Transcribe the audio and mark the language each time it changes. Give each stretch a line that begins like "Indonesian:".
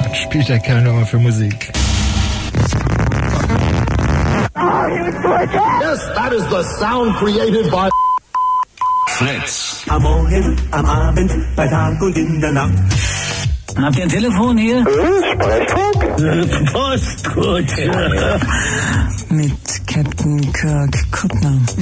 German: Peter Kerr nochmal für Musik.
English: Yes, that is the sound created by Fritz.
German: Am Morgen, am Abend, bei Tag und in der Nacht. Habt ihr ein Telefon hier? Sprechfunk? Postkutsche. Ja, ja. Mit Captain Kirk Kuttner.